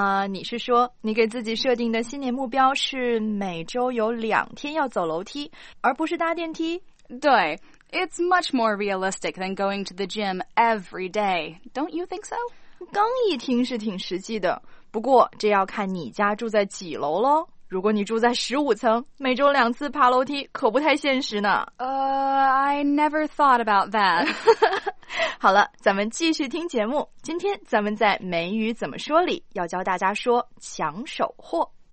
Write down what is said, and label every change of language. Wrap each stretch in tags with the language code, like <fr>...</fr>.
<zh>你是说你给自己设定的新年目标是每周有两天要走楼梯，而不是搭电梯？对。</zh> <en>It's much more realistic than going to the gym every day. Don't you think so?</en> <zh>刚一听是挺实际的，不过这要看你家住在几楼咯。如果你住在15层，每周两次爬楼梯可不太现实呢。</zh> <en>I never thought about that.</en> <zh>好了，咱们继续听节目。今天咱们在美语怎么说里要教大家说抢手货。</zh>